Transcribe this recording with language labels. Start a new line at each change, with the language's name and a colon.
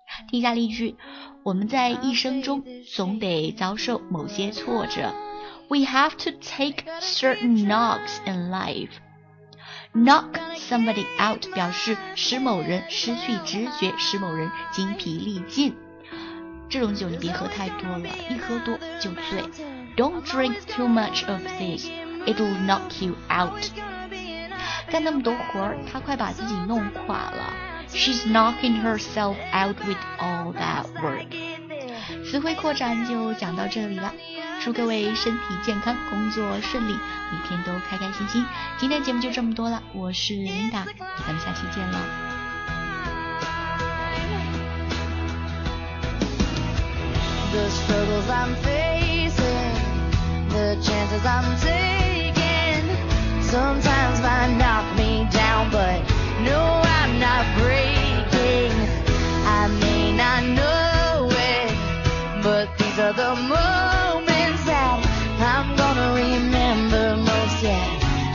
Chinese: 听下例句，我们在一生中总得遭受某些挫折。
English: We have to take certain knocks in life。 Knock somebody out
Chinese: 表示使某人失去知觉，使某人精疲力尽。这种酒你别喝太多了，一喝多就醉。
English: Don't drink too much of this, it'll knock you out.
Chinese: 干那么多活儿，她快把自己弄垮了。
English: She's knocking herself out with all that work.
Chinese: 词汇扩展就讲到这里了，祝各位身体健康，工作顺利，每天都开开心心。今天节目就这么多了，我是琳达，咱们下期见了。
English: The struggles I'm facing, the chances I'm taking, sometimes might knock me down, but no, I'm not breaking. I may not know it, but these are the moments that I'm gonna remember most, yeah.